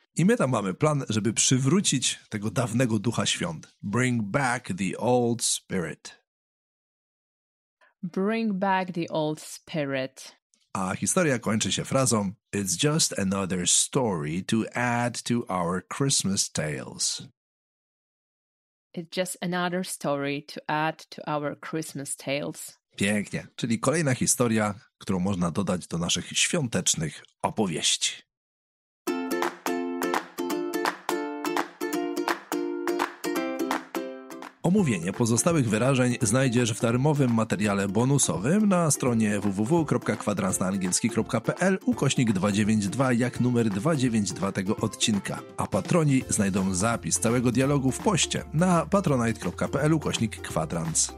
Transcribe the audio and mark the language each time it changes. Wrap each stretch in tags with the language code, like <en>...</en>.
<pl>I my tam mamy plan, żeby przywrócić tego dawnego ducha świąt.</pl> <en>Bring back the old spirit. Bring back the old spirit.</en> <pl>A historia kończy się frazą</pl> <en>It's just another story to add to our Christmas tales. It's just another story to add to our Christmas tales.</en> <pl>Pięknie. Czyli kolejna historia, którą można dodać do naszych świątecznych opowieści. Omówienie pozostałych wyrażeń znajdziesz w darmowym materiale bonusowym na stronie www.kwadransnaangielski.pl/292 jak numer 292 tego odcinka, a patroni znajdą zapis całego dialogu w poście na patronite.pl/kwadrans.</pl>